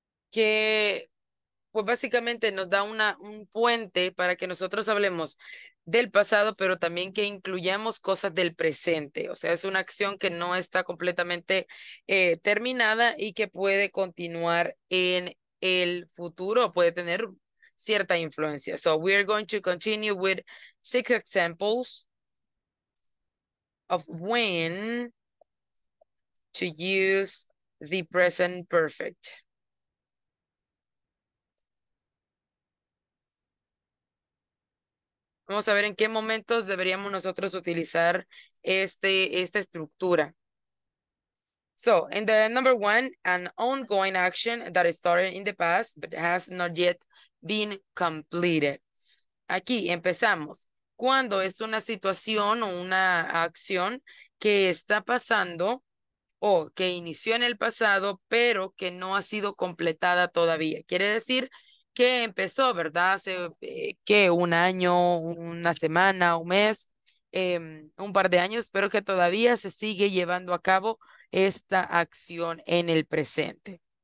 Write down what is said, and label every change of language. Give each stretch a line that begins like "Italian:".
Spanish: Que pues básicamente nos da un puente para que nosotros hablemos del pasado, pero también que incluyamos cosas del presente. O sea, es una acción que no está completamente terminada y que puede continuar en el futuro, puede tener cierta influencia.
English: So we are going to continue with six examples of when to use the present perfect.
Spanish: Vamos a ver en qué momentos deberíamos nosotros utilizar esta estructura.
English: So, in the number one, an ongoing action that started in the past but has not yet been completed.
Spanish: Aquí empezamos. Cuando es una situación o una acción que está pasando o que inició en el pasado pero que no ha sido completada todavía. Quiere decir que empezó, ¿verdad? Hace, ¿qué? Un año, una semana, un mes, un par de años, pero que todavía se sigue llevando a cabo esta acción en el presente.